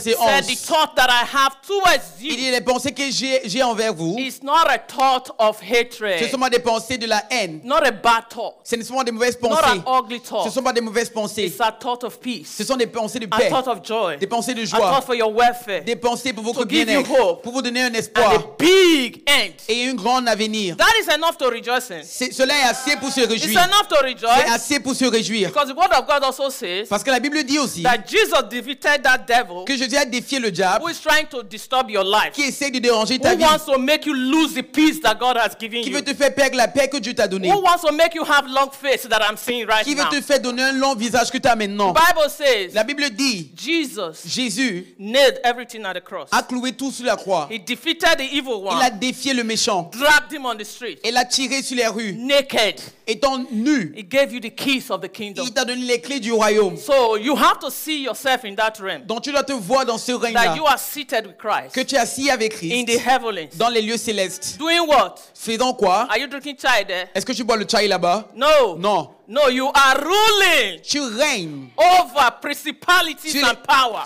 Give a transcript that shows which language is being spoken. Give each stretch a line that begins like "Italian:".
English: Said the thought that I have towards you.
French: Il dit les pensées que j'ai envers vous.
English: It's not a thought of hatred.
French: Ce ne sont pas des pensées de la haine.
English: Not a bad thought.
French: Ce ne sont pas des mauvaises pensées.
English: Not an ugly thought.
French: Ce ne sont pas des mauvaises pensées.
English: It's a thought of peace.
French: Ce sont des pensées de paix.
English: A thought of joy.
French: Des pensées de joie.
English: A thought for your welfare.
French: Des pensées pour votre bien-être.
English: To give you hope.
French: Pour vous donner un espoir.
English: And a big end.
French: Et un grand avenir.
English: That is enough to rejoice in.
French: Cela est assez pour se réjouir.
English: It's enough to rejoice.
French: C'est assez pour se réjouir.
English: Because the word of God also says.
French: Parce que la Bible dit aussi.
English: That Jesus defeated that devil.
French: Que Jésus a défié le diable.
English: Who is trying to disturb your life.
French: Qui essaie de déranger ta vie.
English: Who wants to make you lose the peace that God has given you.
French: Qui veut te faire perdre la paix que Dieu t'a donnée?
English: Who wants to make you have long face that I'm seeing right now?
French: Qui veut te faire donner un long visage que tu as maintenant?
English: The Bible says.
French: La Bible dit.
English: Jesus nailed everything at the cross.
French: A cloué tout sur la croix.
English: He defeated the evil one.
French: Il a défié le méchant.
English: Dragged him on the street.
French: Et l'a tiré sur les rues.
English: Naked.
French: Étant nu.
English: He gave you the keys of the kingdom.
French: Il t'a donné les clés du royaume.
English: So you have to see yourself in that realm.
French: Donc tu dois te voir dans ce règne-là.
English: That you are seated with Christ.
French: Que tu es assis avec Christ.
English: In the heavens.
French: Dans les lieux célestes.
English: Doing what?
French: Faisant quoi?
English: Are you drinking chai there?
French: Est-ce que tu bois le chai là-bas?
English: No.
French: Non.
English: No, you are ruling.
French: Tu règnes.
English: Over principalities
French: sur les,
English: and power.